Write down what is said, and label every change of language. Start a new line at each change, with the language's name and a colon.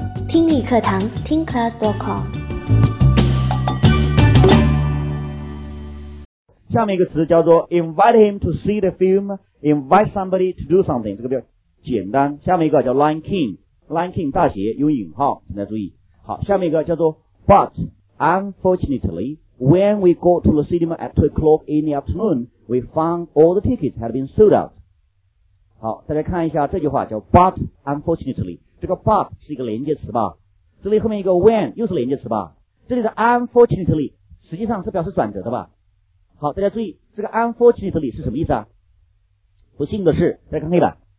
Chinese: 理课堂听 class.com。下面一个词叫做
English: invite him to see the film, invite somebody to do something,
Chinese: 这个比较简单。下面一个叫 Lion King, Lion King 大写用引号，请大家注意。好，下面一个叫做
English: but unfortunately,When we go to the cinema at 2 o'clock in the afternoon, we found all the tickets had been sold out.
Chinese: 好，大家看一下这句话叫
English: but unfortunately.
Chinese: 这个 but 是一个连接词吧。这里后面一个 when, 又是连接词吧。这里的 unfortunately, 实际上是表示转折的吧。好，大家注意这个 unfortunately 是什么意思啊，不幸的是，大家看黑板。